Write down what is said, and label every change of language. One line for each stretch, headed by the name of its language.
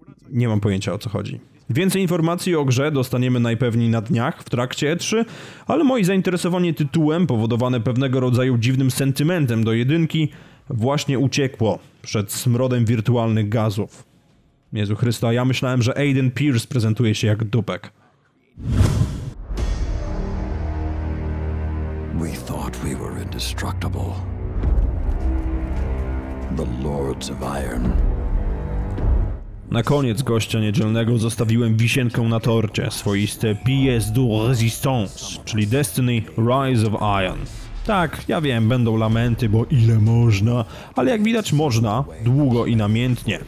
Polish: Nie mam pojęcia, o co chodzi. Więcej informacji o grze dostaniemy najpewniej na dniach w trakcie E3, ale moje zainteresowanie tytułem, powodowane pewnego rodzaju dziwnym sentymentem do jedynki, właśnie uciekło przed smrodem wirtualnych gazów. Jezu Chryste, ja myślałem, że Aiden Pierce prezentuje się jak dupek.
English: We thought we were indestructible. The Lords of Iron.
Polish: Na koniec Gościa Niedzielnego zostawiłem wisienkę na torcie, swoiste pièce de résistance, czyli Destiny Rise of Iron. Tak, ja wiem, będą lamenty, bo ile można, ale jak widać można, długo i namiętnie.